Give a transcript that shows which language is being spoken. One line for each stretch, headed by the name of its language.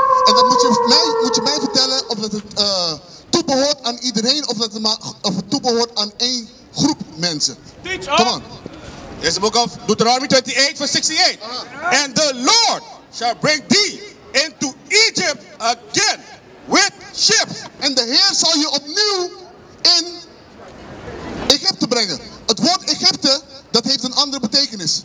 Dutch: dat het toebehoort aan iedereen of dat het, of het toebehoort aan één groep mensen.
English: Teach up! Come on. Is the book of Deuteronomy 28, verse 68. Uh-huh. And the Lord shall bring thee into Egypt again with ships.
Dutch: En de Heer zal je opnieuw in Egypte brengen. Het woord Egypte, dat heeft een andere betekenis.